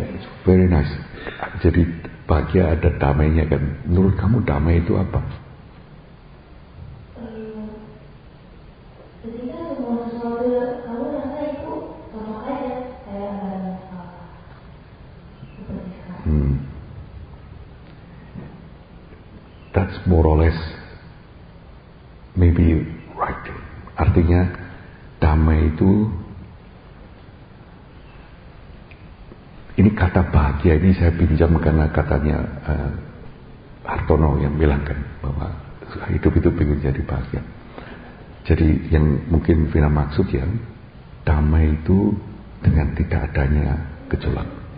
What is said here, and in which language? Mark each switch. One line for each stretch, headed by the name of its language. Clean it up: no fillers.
English: It's very nice.
Indonesian: Jadi bahagia ada damainya kan. Menurut kamu damai itu apa? Ketika semua sesuatu kamu rasa itu sama aja kayak ada yang salah. Seperti sekarang.
English: That's more or less maybe right.
Indonesian: Artinya damai itu, ini kata bahagia ini saya pinjam karena katanya Hartono yang bilang kan bahwa hidup itu pengen jadi bahagia. Jadi yang mungkin Vina maksud ya, damai itu dengan tidak adanya gejolak.